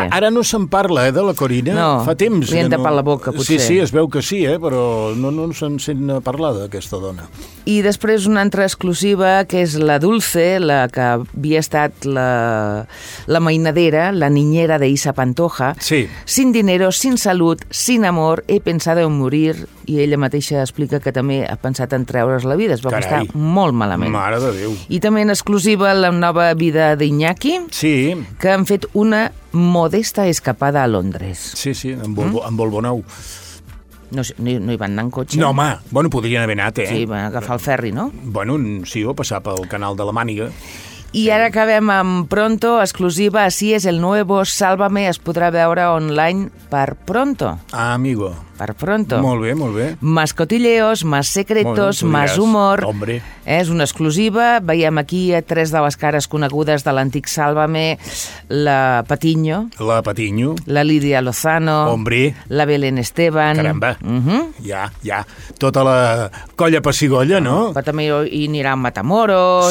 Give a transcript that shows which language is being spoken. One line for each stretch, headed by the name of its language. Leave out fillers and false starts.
Catalan: Sí. Ara no se'n parla, de la Corina? No, fa temps li han tapat la boca, potser. Sí, es veu que sí, però no se'n sent parlar d'aquesta dona. I després una altra exclusiva, que és la Dulce, la que havia estat la mainadera, la niñera de Isa Pantoja. Sí.
Spanish: Sin dinero, sin salud, sin amor, he pensado en morir.
Catalan: I ella mateixa explica que també ha pensat en treure's la vida. Es va estar molt malament. Mare de Déu. I també en exclusiva la nova vida d'Iñaki. Sí. Que han fet una modesta escapada a Londres. Sí, amb Volvonou. No hi van anar en cotxe. No, home, bueno, podrien haver anat, Sí, van agafar el ferri, no? Bueno, sí, o passar pel canal de la Màniga. I ara acabem amb Pronto, exclusiva, Así es el nuevo, Sálvame, es podrà veure online per Pronto.
Spanish: Ah, amigo.
Catalan: Per Pronto. Molt bé.
Spanish: Más cotilleos, más secretos, bueno, más humor. Hombre.
Catalan: És una exclusiva, veiem aquí a tres de les cares conegudes de l'antic Sálvame, la Patiño. La Lídia Lozano.
Spanish: Hombre.
Catalan: La Belén Esteban. Caramba. Uh-huh. Ja. Tota la colla pessigolla, no? Però també hi anirà en Matamoros.